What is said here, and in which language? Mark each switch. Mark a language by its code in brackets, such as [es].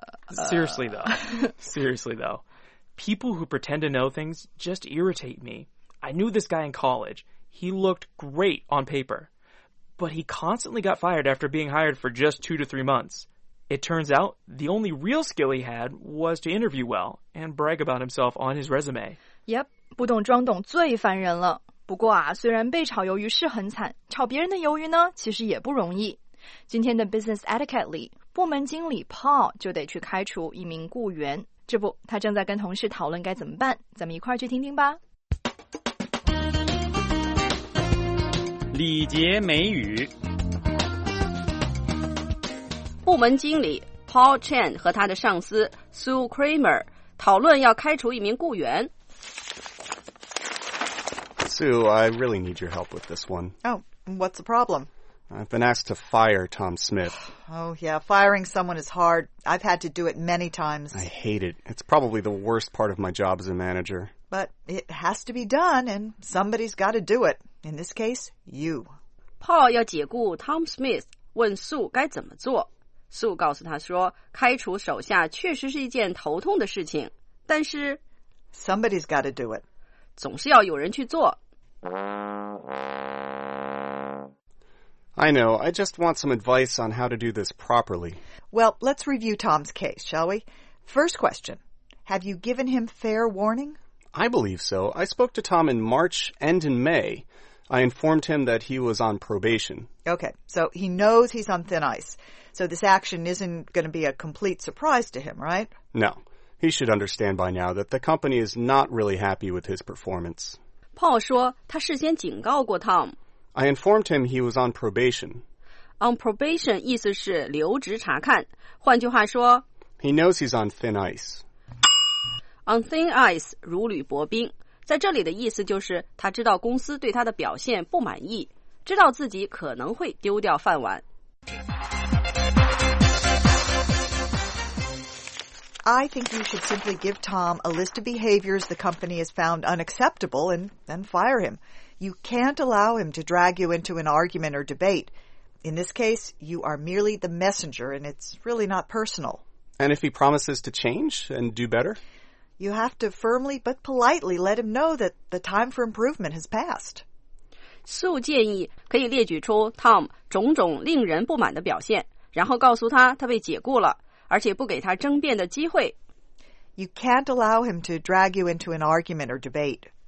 [en] Seriously though, people who pretend to know things just irritate me. I knew this guy in college. He looked great on paper, but he constantly got fired after being hired for just 2 to 3 months. It turns out the only real skill he had was to interview well and brag about himself on his resume. [zh] Yep, 不懂装懂最烦人了。不过啊，虽然被炒鱿鱼是很惨，炒别人的鱿鱼呢，其实也不容易。今天的 Business Etiquette 里，部门经理 Paul 就得去开除一名雇员。这不，他正在跟同事讨论该怎么办，咱们一块儿去听听吧。礼节美语。部门经理 Paul Chen 和他的上司 Sue Kramer 讨论要开除一名雇员。 [en] Sue, I really need your help with this one. Oh, what's the problem? I've been asked to fire Tom Smith. Oh, yeah. Firing someone is hard. I've had to do it many times. I hate it. It's probably the worst part of my job as a manager. But it has to be done, and somebody's got to do it. In this case, you. [zh] Paul 要解雇 Tom Smith, 问 Sue 该怎么做。 Sue 告诉他说，开除手下确实是一件头痛的事情，但是 [en] Somebody's got to do it. [zh] 总是要有人去做。 [en] I know, I just want some advice on how to do this properly. Well, let's review Tom's case, shall we? First question, have you given him fair warning? I believe so. I spoke to Tom in March and in May. I informed him that he was on probation. Okay, so he knows he's on thin ice. So this action isn't going to be a complete surprise to him, right? No, he should understand by now that the company is not really happy with his performance. [zh] Paul 说他事先警告过 Tom。 [en] I informed him he was on probation. [zh] On probation 意思是留职查看，换句话说 [en] He knows he's on thin ice. [zh] On thin ice 如履薄冰，在这里的意思就是他知道公司对他的表现不满意，知道自己可能会丢掉饭碗。 [en] I think you should simply give Tom a list of behaviors the company has found unacceptable and then fire him. You can't allow him to drag you into an argument or debate. In this case, you are merely the messenger and it's really not personal. And if he promises to change and do better? You have to firmly but politely let him know that the time for improvement has passed. [zh] Sue 建议可以列举出 Tom 种种令人不满的表现，然后告诉他他被解雇了。而且不给他争辩的机会。 [en] You can't allow him to drag you into an argument or debate.